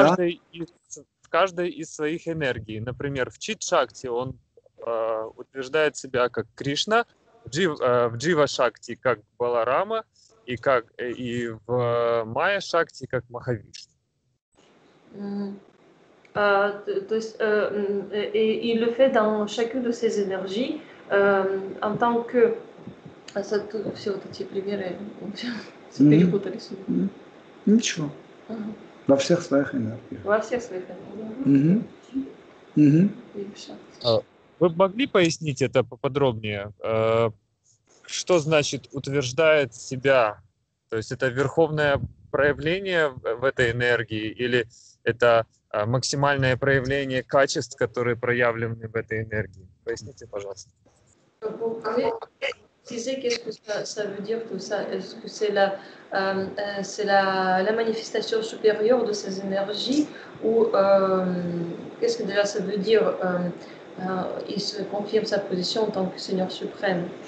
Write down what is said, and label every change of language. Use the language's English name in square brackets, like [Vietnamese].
[Russian] В каждой из своих энергий, например, в чит-шакти он утверждает себя как Кришна, в джива-шакти как Баларама и как и в майя-шакти как Махавишна. То есть [French] le fait dans chacune de ses énergies en tant que ça tout, [Russian] все вот эти примеры перепутались. Ничего. Во всех своих энергиях. Во всех своих энергиях. Вы могли пояснить это поподробнее? Что значит утверждает себя? То есть это верховное проявление в этой энергии или это максимальное проявление качеств, которые проявлены в этой энергии? Поясните, пожалуйста. [French] Qu'est-ce que ça veut dire tout ça? Est-ce que c'est la manifestation supérieure de ces énergies ou qu'est-ce que déjà ça veut dire? Il se confirme sa position en tant que Seigneur suprême.